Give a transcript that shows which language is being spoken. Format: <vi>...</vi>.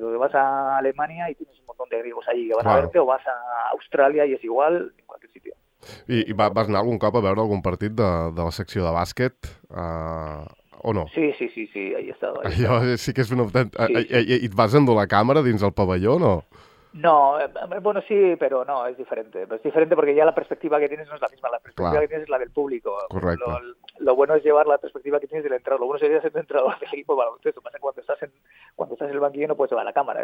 <es>Donde vas a Alemania y tienes un montón de griegos allí que van a verte, o vas a Australia y es igual, en cualquier sitio.</es> <ca>I vas anar algun cop a veure algun partit de la secció de bàsquet? O no?</ca> <es>Sí, ahí he estado.</es> <ca>Allò sí que és un autèntic... Sí. I et vas endur la càmera dins el pavelló o no?</ca> <es>No, bueno, sí, pero no, es diferente. Es diferente porque ya la perspectiva que tienes no es la misma. La perspectiva que tienes es la del público. Correcto. Lo bueno es llevar la perspectiva que tienes del entrenador. Lo bueno sería ser entrenador del equipo. Bueno, eso pasa cuando estás en el banquillo, no puedes llevar la cámara.</es>